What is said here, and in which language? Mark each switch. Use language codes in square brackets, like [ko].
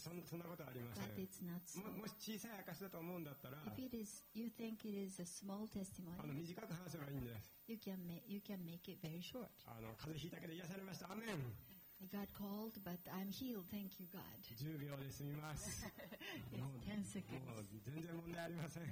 [ja] そんなことはありません。 [en] But it's not so. [ja] もし小さい証だと思うんだったら、 [en] If it is, you think it is a small testimony, [ja] 短く話せばいいんです。 [en] You can make it very short. [ja] 風邪ひいたけど癒されました。アメン。 [en] I got cold, but I'm healed. Thank you, God. [ja] 10秒で済みます。 [en] 10 seconds. [ja] もう全然問題ありません。